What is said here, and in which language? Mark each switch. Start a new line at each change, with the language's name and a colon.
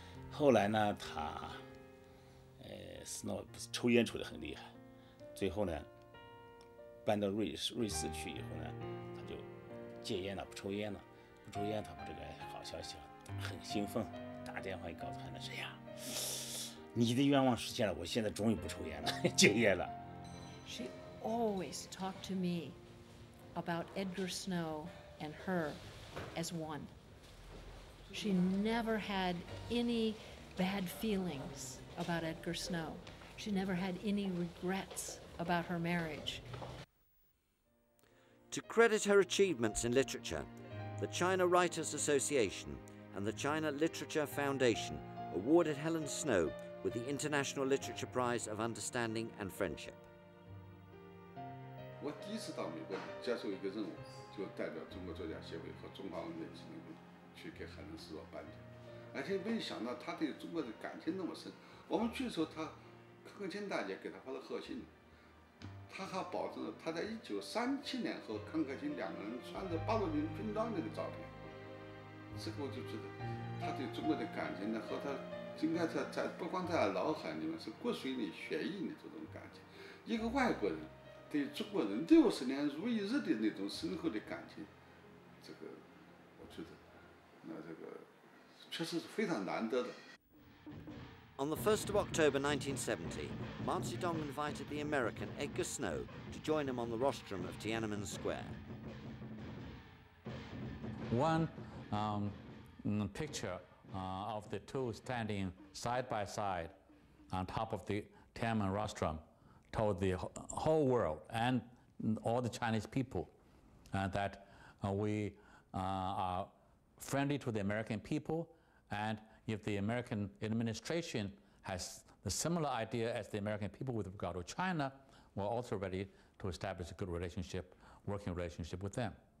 Chinese: 后来呢，他，斯诺不是抽烟抽得很厉害，最后呢，搬到瑞士去以后呢，他就戒烟了，不抽烟了。朱燕他把这个好消息很兴奋，打电话告诉他，那谁呀，你的愿望实现了，我现在终于不抽烟了，戒烟了。
English: She always talked to me about Edgar Snow and her as one. She never had any bad feelings about Edgar Snow. She never had any regrets about her marriage. To credit her achievements in literature,The China Writers Association and the China Literature Foundation awarded Helen Snow with the International Literature Prize of Understanding and Friendship.
Chinese: 我第一次到美国接受一个任务，就代表中国作家协会和中华文学基金会去给海伦斯诺颁奖。而且没想到他对中国的感情那么深。我们去的时候，他康克勤大姐给他发了贺信，他他还保证了他在1937年和康克勤两个人穿着八路军军装那个照片。这个我就觉得他对中国的感情呢，和他应该在不光在脑海里面，是骨髓里血液里这种感情。一个外国人对中国人60年如一日的那种深厚的感情，这个我觉得那这个确实是非常难得的。
English: On the 1st of October 1970, Mao Zedong invited the American Edgar Snow to join him on the rostrum of Tiananmen Square. One picture of the two standing side by side on top of the Tiananmen rostrum told the whole world and all the Chinese people that we are friendly to the American people, and if the American administration has a similar idea as the American people with regard to China, we're also ready to establish a good relationship, working relationship with them.